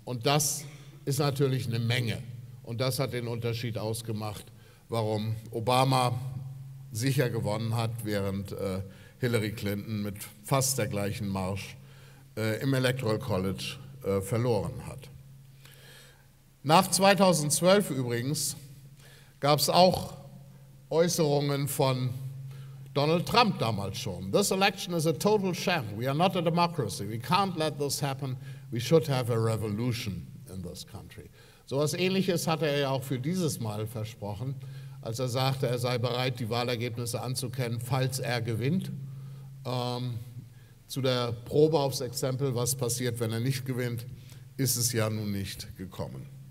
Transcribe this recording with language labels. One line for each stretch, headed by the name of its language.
German: Und das ist natürlich eine Menge. Und das hat den Unterschied ausgemacht, warum Obama sicher gewonnen hat, während Hillary Clinton mit fast der gleichen Marge im Electoral College verloren hat. Nach 2012 übrigens gab es auch Äußerungen von Donald Trump damals schon.
English: This election is a total sham. We are not a democracy. We can't let this happen. We should have a revolution in this country.
German: So etwas Ähnliches hatte er ja auch für dieses Mal versprochen, als er sagte, er sei bereit, die Wahlergebnisse anzukennen, falls er gewinnt. Zu der Probe aufs Exempel, was passiert, wenn er nicht gewinnt, ist es ja nun nicht gekommen.